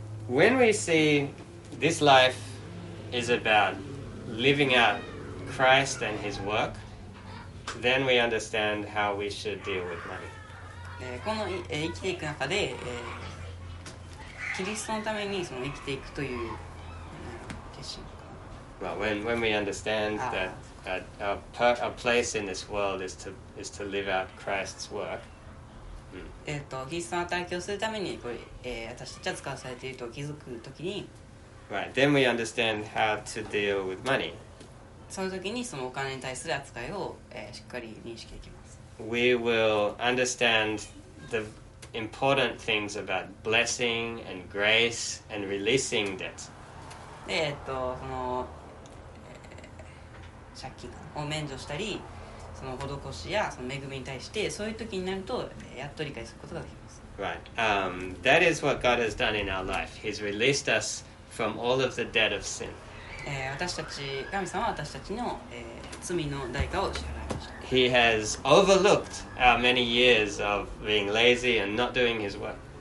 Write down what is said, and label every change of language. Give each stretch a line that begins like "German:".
English: When we see this life is about living out Christ and His work, then we understand how we should deal with money.
Japanese: この生きていく中で、キリストのためにその生きていくという決心か。
English: Well, when we understand that our place in this world is to live out Christ's work.
Japanese: キリストの働きをするためにこれ、私たちは使わされていると気づくときに。
English: Right, then we understand how to deal with money.
Japanese: その時にそのお金に対する扱いを、しっかり認識できます。
English: We will understand the important things about blessing and grace and releasing debt.
Japanese: で、その、借金を免除したり、その施しやその恵みに対して、そういう時になると、やっと理解することができます。
English: Right. That is what God has done in our life. He's released us from all of the debt of sin.
Japanese: 私たち神様は私たちの、罪の代価を支払いました。
English: He has overlooked our many years of being lazy and not doing his work.